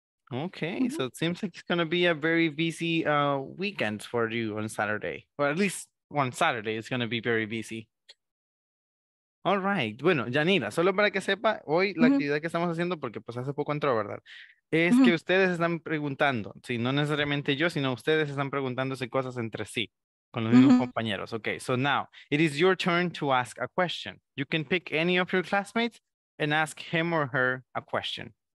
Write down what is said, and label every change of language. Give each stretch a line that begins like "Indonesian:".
English: Okay, so it seems like it's going to be a very busy weekend for you on Saturday, or at least on Saturday it's going to be very busy. All right.
Spanish: Bueno, Janira, solo para que sepa, hoy la actividad que estamos haciendo, porque pues hace poco entró, ¿verdad? Es que ustedes están preguntando, sí, no necesariamente yo, sino ustedes están preguntándose cosas entre sí, con los mismos compañeros.
English: Okay, so now, it is your turn to ask a question. You can pick any of your classmates and ask him or her a question.